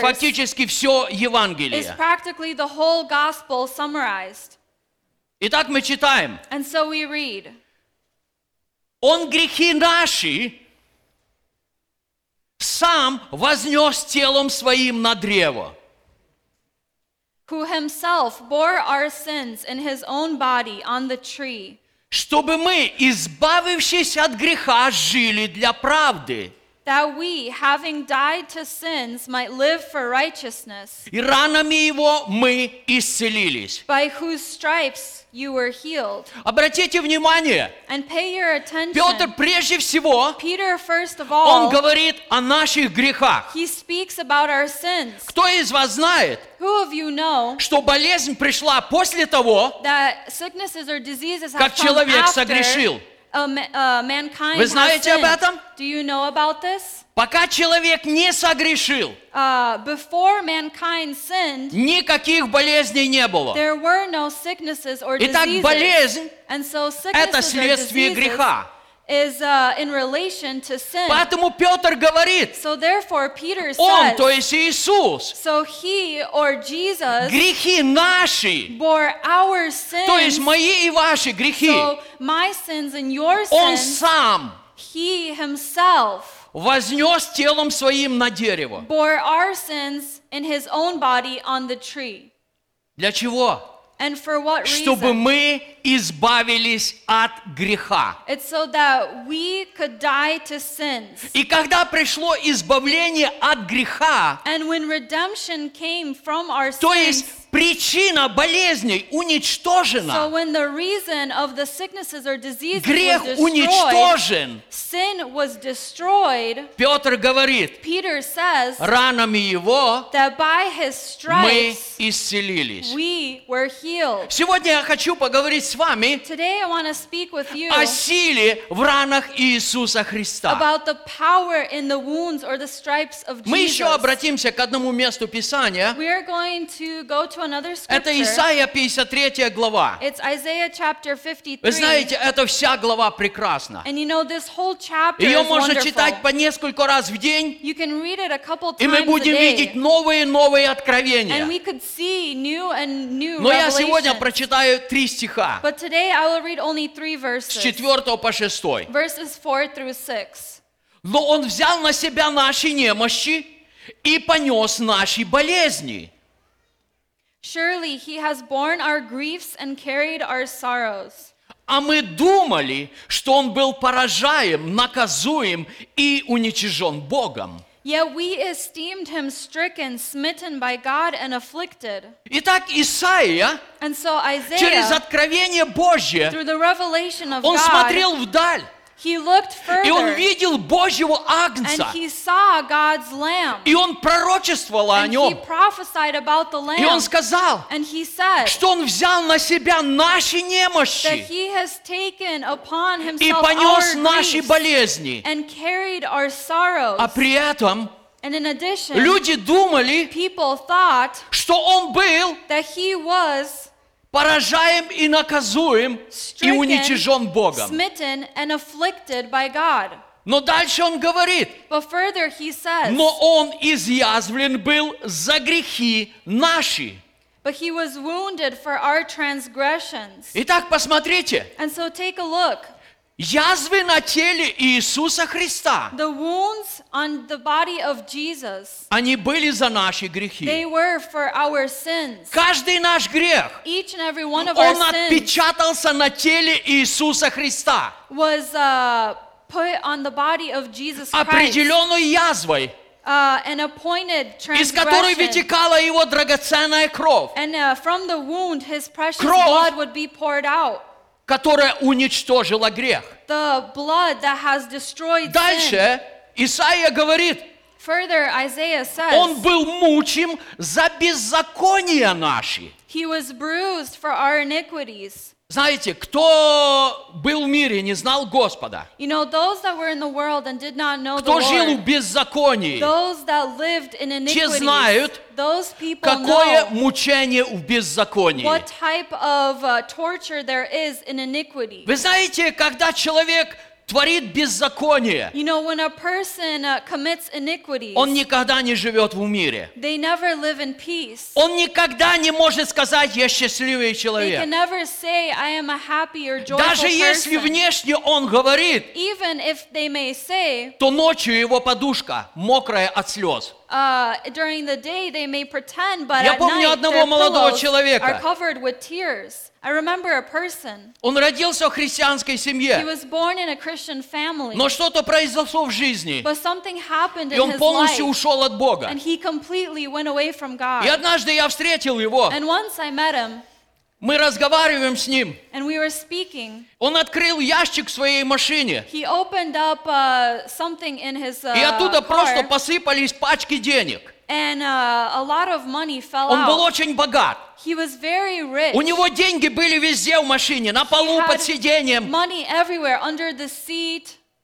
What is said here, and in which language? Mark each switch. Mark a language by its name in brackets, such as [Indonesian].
[Russian] фактически все Евангелие. [English] Is practically the whole gospel summarized. [Russian] Итак, мы читаем. [English] And so we read. [Russian] Он грехи наши сам вознес телом своим на древо. [English] Who himself bore our sins in his own body on the tree. [Russian] Чтобы мы, избавившись от греха, жили для правды. [English] That we, having died to sins, might live for righteousness. [Russian] И ранами его мы исцелились. [English] By whose stripes you were healed. [Russian] Обратите внимание. [English] And pay your attention. [Russian] Петр прежде всего, [English] Peter, first of all, [Russian] он говорит о наших грехах. [English] He speaks about our sins. [Russian] Кто из вас знает, [English] who of you know, [Russian] что болезнь пришла после того, [English] that sicknesses or diseases [Russian] как человек согрешил? [English] Mankind [Russian] вы знаете [English] has sinned. [Russian] Об этом? [English] Do you know about this? [Russian] Пока человек не согрешил, [English] before mankind sinned, [Russian] никаких болезней не было. [English] There were no sicknesses or diseases. [Russian] Итак, болезнь [English] and so [Russian] это следствие греха. [English] is in relation to sin. [Russian] Поэтому Петр говорит. [English] So therefore Peter says. [Russian] Он, то есть Иисус. [English] So he or Jesus. [Russian] Грехи наши. [English] Bore our sins. [Russian] То есть мои и ваши грехи. [English] So my sins and your sins. [Russian] Он сам. [English] He himself. [Russian] Вознес телом своим на дерево. [English] Bore our sins in his own body on the tree. [Russian] Для чего? [English] And for what reason? [Russian] Чтобы мы избавились от греха. [English] It's so that we could die to sins. [Russian] И когда пришло избавление от греха, [English] and when redemption came from our sins, [Russian] то есть причина болезней уничтожена. [English] So when the reason of the sicknesses or diseases was [Russian] грех уничтожен, [English] sin was destroyed, [Russian] Петр говорит, [English] Peter says, [Russian] ранами его [English] that by his stripes, [Russian] мы исцелились. [English] We were healed. [Russian] Сегодня я хочу поговорить с вами [English] today I want to speak with you [Russian] о силе в ранах Иисуса Христа. [English] About the power in the wounds or the stripes of Jesus. [Russian] Мы еще обратимся к одному месту Писания. [English] We are going to go to another scripture. [Russian] Это Исаия 53 глава. [English] It's Isaiah chapter 53. [Russian] Вы знаете, эта вся глава прекрасна. [English] And you know, this whole chapter [Russian] ее [English] is [Russian] можно [English] wonderful. [Russian] Читать по несколько раз в день. [English] You can read it a couple times [Russian] и мы будем [English] a day. [Russian] Видеть новые откровения. [English] And we could see new and new revelations. [Russian] Но я сегодня прочитаю три стиха. [English] But today I will read only three verses. [Russian] С 4 по 6. [English] Verses 4 through 6. [Russian] Но он взял на себя наши немощи и понес наши болезни. [English] Surely he has borne our griefs and carried our sorrows. [Russian] А мы думали, что он был поражаем, наказуем и уничижен Богом. [English] Yet we esteemed him stricken, smitten by God and afflicted. [Russian] Итак, Исаия, [English] and so Isaiah, [Russian] через откровение Божье, [English] through the revelation of [Russian] он [English] God, [Russian] смотрел вдаль. [English] He looked further, [Russian] и он видел Божьего Агнца. [English] And he saw God's lamb, [Russian] и он пророчествовал о нем. [English] He prophesied about the lamb, [Russian] и он сказал, [English] and he said, [Russian] что он взял на себя наши немощи [English] that he has taken upon himself [Russian] и понес [English] our [Russian] наши болезни. [English] And carried our sorrows. [Russian] А при этом [English] and in addition, [Russian] люди думали, [English] people thought, [Russian] что он был [English] that he was [Russian] поражаем и наказуем [English] stricken, [Russian] и уничижен Богом. [English] Smitten and afflicted by God. [Russian] Но дальше он говорит, [English] but further he says, [Russian] но он изъязвлен был за грехи наши. [English] But he was wounded for our transgressions. [Russian] Итак, посмотрите. [English] And so take a look. [Russian] Язвы на теле Иисуса Христа. [English] The wounds on the body of Jesus. [Russian] Они были за наши грехи. [English] They were for our sins. [Russian] Каждый наш грех. [English] Each and every one of our sins. [Russian] Он отпечатался на теле Иисуса Христа. [English] Was put on the body of Jesus Christ. [Russian] Определенной язвой. [English] An appointed transgression. [Russian] Из которой вытекала его драгоценная кровь. [English] And from the wound, his precious blood would be poured out. [Russian] Которая уничтожила грех. [English] The blood that has destroyed sin. [Russian] Дальше Исаия говорит, [English] further, Isaiah says, [Russian] он был мучим за беззакония наши. [English] He was bruised for our iniquities. [Russian] Знаете, кто был в мире и не знал Господа? [English] You know, those that were in the world and did not know [Russian] кто [English] the Lord, [Russian] жил в беззаконии? [English] Those that lived in iniquities, [Russian] те знают, [English] those people know, [Russian] какое мучение в беззаконии. [English] What type of torture there is in iniquity. [Russian] Вы знаете, когда человек творит беззаконие, [English] you know, when a person commits iniquities, [Russian] он никогда не живет в мире. [English] They never live in peace. [Russian] Он никогда не может сказать, я счастливый человек. [English] They can never say, I am a happy or joyful [Russian] даже [English] person. [Russian] Если внешне он говорит, [English] even if they may say, [Russian] то ночью его подушка мокрая от слез. [English] During the day they may pretend, but [Russian] я помню одного молодого человека. [English] Are covered with tears. I remember a person. [Russian] Он родился в христианской семье. [English] He was born in a Christian family. [Russian] Но что-то произошло в жизни. [English] But something happened in his life. [Russian] И он полностью ушел от Бога. [English] And he completely went away from God. [Russian] И однажды я встретил его. [English] And once I met him. [Russian] Мы разговариваем с ним. [English] And we were speaking. [Russian] Он открыл ящик в своей машине. [English] He opened up something in his [Russian] и оттуда [English] car. [Russian] Просто посыпались пачки денег. [English] And a lot of money fell [Russian] он [English] out. [Russian] Был очень богат. [English] He was very rich. [Russian] У него деньги были везде в машине, на полу, под сиденьем. [English] Money everywhere, under the seat.